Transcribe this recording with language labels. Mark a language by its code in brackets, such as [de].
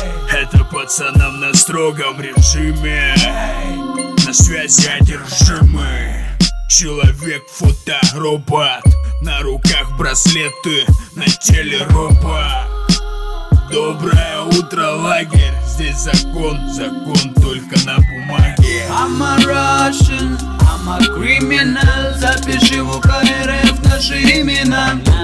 [ru] Это пацанам на строгом режиме. На связи одержимый человек, фоторобот. На руках браслеты, на теле робо. Доброе утро, лагерь. Здесь закон, закон только на бумаге. [en] I'm a Russian, I'm a criminal. [ru] Запиши в УКРФ наши имена.